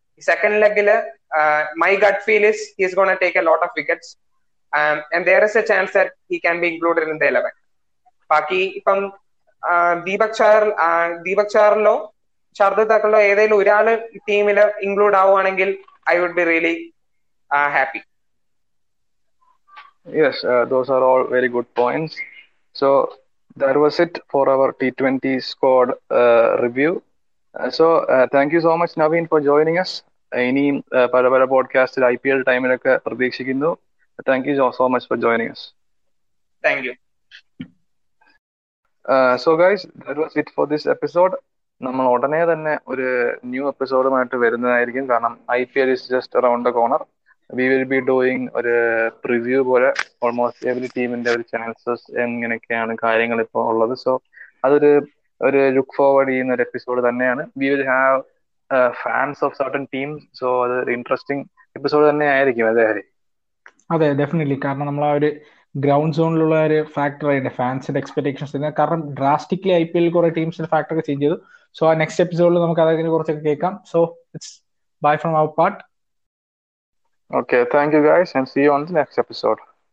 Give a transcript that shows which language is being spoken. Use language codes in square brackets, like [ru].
[en] Second ലെഗില് my gut feel is he is gonna take a lot of wickets and there is a chance that he can be included in the 11. [ml] ബാക്കി ഇപ്പം ദീപക് ചാറിലോ ശാർദുൽ താക്കറിലോ ഏതെങ്കിലും ഒരാള് ടീമില് include ആവുകയാണെങ്കിൽ [en] I would be really happy. Yes, those are all very good points. So that was it for our T20 squad review. So thank you so much, Naveen, for joining us. Any Parabara podcast at IPL time in a Pradeshikindu. Thank you so much for joining us. Thank you. So guys, that was it for this episode. [ml] നമ്മൾ ഉടനെ തന്നെ ഒരു new എപ്പിസോഡുമായിട്ട് വരുന്നതായിരിക്കും, കാരണം [en] IPL is just around the corner. We will be doing [ml] ഒരു preview പോലെ almost every ടീമിന്റെ ഒരു ചാൻസസ് എങ്ങനെയൊക്കെയാണ് കാര്യങ്ങൾ ഇപ്പോൾ ഉള്ളത്. സോ അതൊരു ഒരു ലുക്ക് ഫോർവേഡ് ചെയ്യുന്ന ഒരു എപ്പിസോഡ് തന്നെയാണ്. [en] we will have fans of certain team, so [ml] അത് ഇൻട്രസ്റ്റിംഗ് എപ്പിസോഡ് തന്നെ ആയിരിക്കും. അതെ ഹരി? അതെ, ഡെഫിനറ്റ്ലി. കാരണം നമ്മൾ ആ ഒരു ഗ്രൗണ്ട് സോണിലുള്ള ഒരു ഫാക്ടർ ആയിട്ട് ഫാൻസിന്റെ എക്സ്പെക്ടേഷൻസ്, കാരണം ഡ്രാസ്റ്റിക്കലി IPL കുറെ ടീംസിന്റെ ഫാക്ടർ ഒക്കെ ചേഞ്ച് ചെയ്തു. സോ ആ നെക്സ്റ്റ് എപ്പിസോഡിൽ നമുക്ക് അതിനെ കുറിച്ചൊക്കെ കേൾക്കാം. [en] So it's bye from our part. Okay, thank you guys and see you on the next episode.